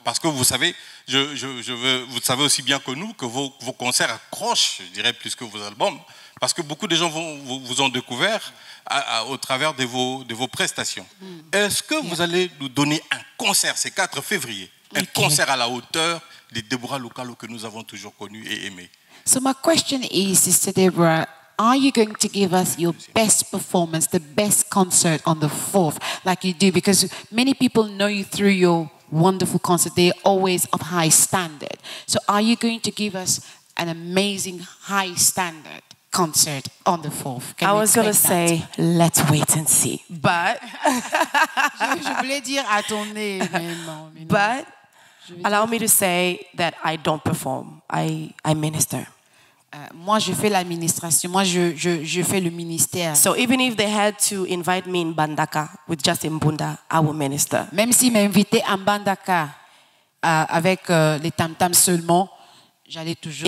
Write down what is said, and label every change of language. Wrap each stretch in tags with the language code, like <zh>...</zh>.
<fr>Parce que vous savez, vous savez aussi bien que nous que vos concerts accrochent, je dirais, plus que vos albums, parce que beaucoup de gens vous ont découvert au travers de vos prestations. Est-ce que vous allez nous donner un concert ce 4 février, un concert à la hauteur de Deborah Lukalu que nous avons toujours connu et aimé?</fr> <en>So my question is, Sister Deborah, are you going to give us your best performance, the best concert on the 4th, like you do? Because many people know you through your wonderful concert. They're always of high standard. So are you going to give us an amazing high standard concert on the 4th? I was going to say, let's wait and see. But,</en> <fr>je voulais dire à ton nez, mais non.</fr> <en>But, allow me to say that I don't perform. I minister.</en> <fr>Moi, je fais l'administration. Moi, je fais le ministère.</fr> <en>So even if they had to invite me in Bandaka with just Mbunda, I will minister.</en> <fr>Même s'ils m'invitaient en Bandaka avec les tam-tams seulement, j'allais toujours...</fr>